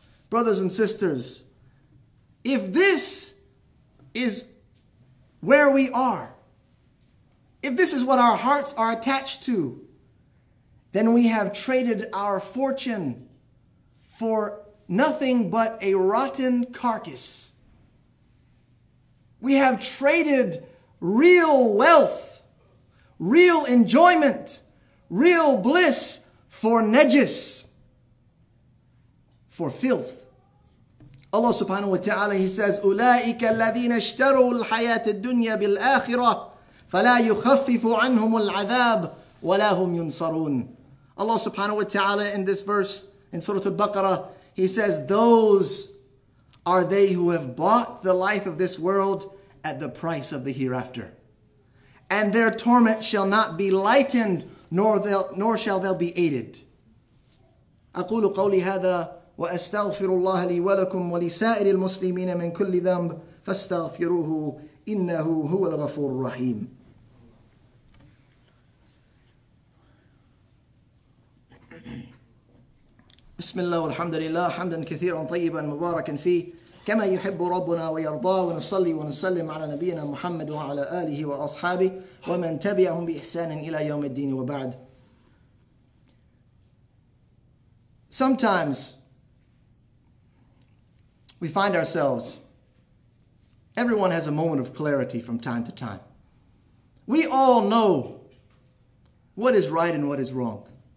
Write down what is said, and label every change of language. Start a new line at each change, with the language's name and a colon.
English: Brothers and sisters, if this is where we are, if this is what our hearts are attached to, then we have traded our fortune for nothing but a rotten carcass. We have traded real wealth, real enjoyment, real bliss for najis, for filth. Allah subhanahu wa ta'ala, He says,
Arabic: أُولَٰئِكَ الَّذِينَ اشْتَرُوا الْحَيَاةِ الدُّنْيَا بِالْآخِرَةِ فَلَا يُخَفِّفُ عَنْهُمُ الْعَذَابِ وَلَا هُمْ يُنصَرُونَ.
English: Allah subhanahu wa ta'ala in this verse, in Surah Al-Baqarah, He says, those are they who have bought the life of this world at the price of the hereafter. And their torment shall not be lightened, nor shall they be aided.
Arabic: أَقُولُ قَوْلِ هَذَا وأستغفر الله لي ولكم ولسائر المسلمين من كل ذنب فاستغفروه إنه هو الغفور الرحيم. بسم الله والحمد لله حمدا كثيرا طيبا مباركا فيه كما يحب ربنا ويرضى ونصلي ونسلم على نبينا محمد وعلى آله وأصحابه ومن تبعهم بإحسان إلى يوم الدين وبعد.
English: Sometimes we find ourselves, everyone has a moment of clarity from time to time. We all know what is right and what is wrong.